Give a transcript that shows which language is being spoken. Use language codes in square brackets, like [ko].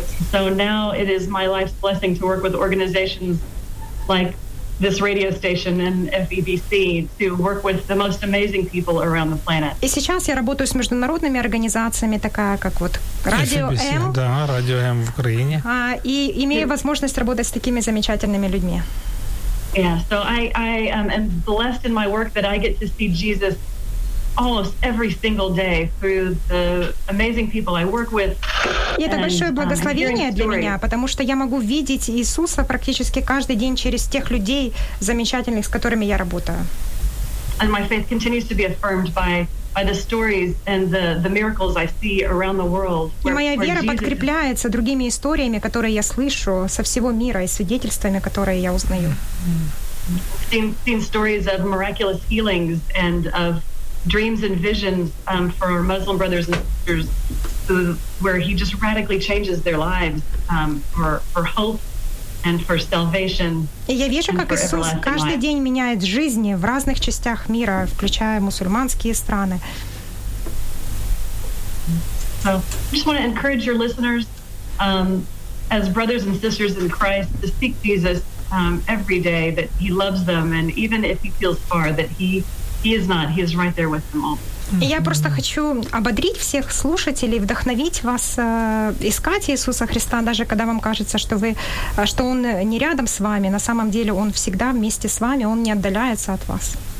[en] So now it is my life's blessing to work with organizations like this radio station and FEBC to work with the most amazing people around the planet. [ru] И сейчас я работаю с международными организациями, такая как вот Радио М. Да, Радио М в Украине. И имею возможность работать с такими замечательными людьми. [en] Yeah, so I am blessed in my work that I get to see Jesus almost every single day through the amazing people I work with. [ru] И это большое благословение для меня, потому что я могу видеть Иисуса практически каждый день через тех людей замечательных, с которыми я работаю. [en] And my faith continues to be affirmed by the stories and the miracles I see around the world. [ru] И моя вера подкрепляется другими историями, которые я слышу со всего мира и свидетельствами, которые я узнаю. [en] seen stories of miraculous healings and of dreams and visions for our Muslim brothers and sisters, where he just radically changes their lives for hope and for salvation. [ru] Я вижу, как Иисус каждый день меняет жизни в разных частях мира, включая мусульманские страны. [en] So, I just want to encourage your listeners, as brothers and sisters in Christ, to seek Jesus every day, that He loves them, and even if He feels far, that He is not. He is right there with them all. [ru] И я просто хочу ободрить всех слушателей, вдохновить вас искать Иисуса Христа, даже когда вам кажется, что Он не рядом с вами. На самом деле Он всегда вместе с вами, Он не отдаляется от вас.